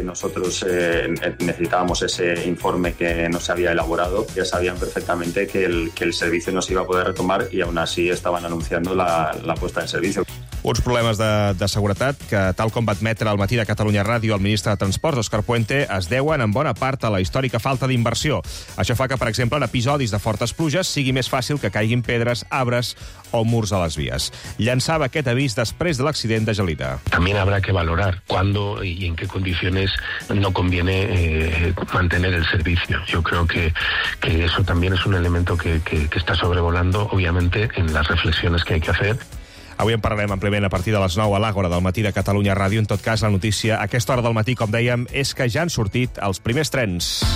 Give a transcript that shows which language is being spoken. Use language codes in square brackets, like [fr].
[es] Nosotros necesitábamos ese informe que no se había elaborado. Ya sabían perfectamente que el servicio no se iba a poder retomar y aún así estaban anunciando la puesta en servicio. [ca] Uns problemes de seguretat que, tal com va admetre al matí de Catalunya Ràdio el ministre de Transports, Òscar Puente, es deuen en bona part a la històrica falta d'inversió. Això fa que, per exemple, en episodis de fortes pluges sigui més fàcil que caiguin pedres, arbres o murs a les vies. Llançava aquest avís després de l'accident de Gelida. [es] También habrá que valorar cuándo y en qué condiciones no conviene mantener el servicio. Yo creo que eso también es un elemento que está sobrevolando, obviamente, en las reflexiones que hay que hacer. [ca] Avui en parlarem ampliament a partir de les 9 a l'Àgora del matí de Catalunya Ràdio. En tot cas, la notícia a aquesta hora del matí, com dèiem, és que ja han sortit els primers trens.